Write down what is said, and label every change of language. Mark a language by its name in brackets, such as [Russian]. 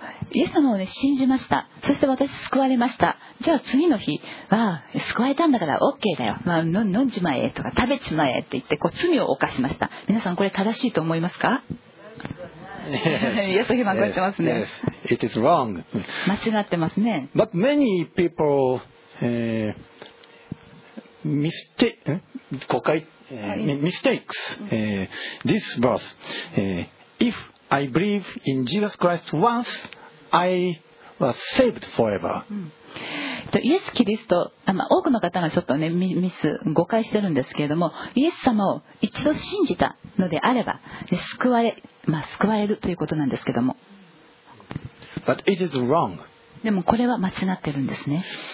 [Japanese] イエス様を、ね、信じました。そして私救われました。じゃあ次の日は救われたんだから OK だよ、まあ、飲んじまえとか食べちまえって言ってこう罪を犯しました。皆さんこれ正しいと思いますか？ [English] Yes. [Japanese] イエス様が言ってますね。 [English] Yes. It is wrong. [Japanese] 間違ってますね。 [English] But many people、mistakes、this verse、ifI believe in Jesus Christ once I was saved forever. [Japanese] イエス・キリスト、多くの方がちょっとね、ミス、誤解してるんですけれども、イエス様を一度信じたのであれば、で、救われるということなんですけれども。 [English] But it is wrong. [Japanese] でもこれは間違ってるんですね。